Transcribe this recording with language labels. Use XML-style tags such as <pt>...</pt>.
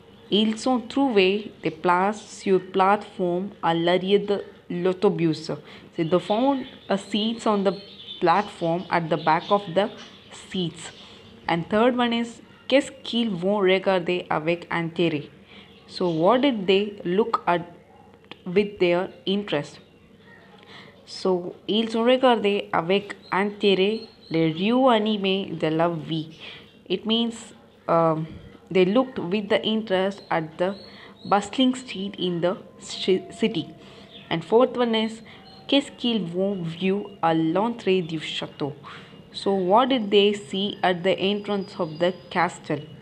<fr>Ils ont trouvé des places sur plateforme à l'arrière de l'autobus.</fr> <en>So they found a seats on the platform at the back of the seats. And third one is,</en> <fr>qu'est-ce qu'ils vont regarder avec intérêt?</fr> <en>So what did they look at with their interest?</en> <fr>So ils ont regardé avec intérêt les rues animées de la vie.</fr> <en>It means they looked with the interest at the bustling street in the city. And fourth one is,</en> <fr>qu'est-ce qu'ils vont voir à l'entrée du château?</fr> <en>So what did they see at the entrance of the castle?</en>